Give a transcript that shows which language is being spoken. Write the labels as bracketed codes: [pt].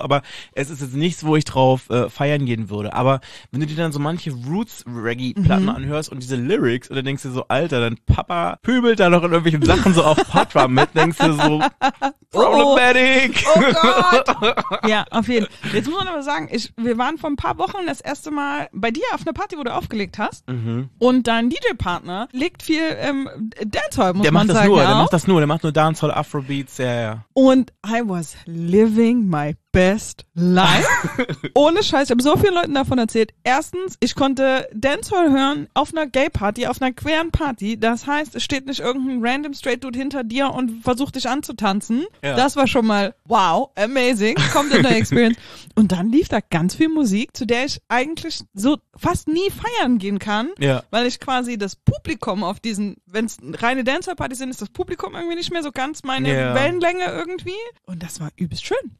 [de] Aber es ist jetzt nichts, wo ich drauf feiern gehen würde. Aber wenn du dir dann so manche Roots-Reggae-Platten anhörst und diese Lyrics und dann denkst du so, Alter, dein Papa pübelt da noch in irgendwelchen Sachen so auf Patra mit, denkst du so, problematic. Oh Gott. Ja, auf jeden Fall. Jetzt muss man aber sagen, wir waren vor ein paar Wochen das erste Mal bei dir auf einer Party, wo du aufgelegt hast. Mhm. Und dein DJ-Partner legt viel Dancehall, muss der man sagen. Der macht nur Dancehall, Afrobeat. Und [en] I was living my best life. [de] Ohne Scheiß, ich habe so vielen Leuten davon erzählt. Erstens, ich konnte Dancehall hören auf einer Gay-Party, auf einer queeren Party. Das heißt, es steht nicht irgendein [en] random straight dude [de] hinter dir und versucht dich anzutanzen. Ja. Das war schon mal wow, amazing, kommt in der Experience. Und dann lief da ganz viel Musik, zu der ich eigentlich so fast nie feiern gehen kann, weil ich quasi das Publikum auf diesen, wenn es reine Dancehall-Partys sind, ist das Publikum irgendwie nicht mehr so ganz meine Wellenlänge irgendwie. Und das war übelst schön.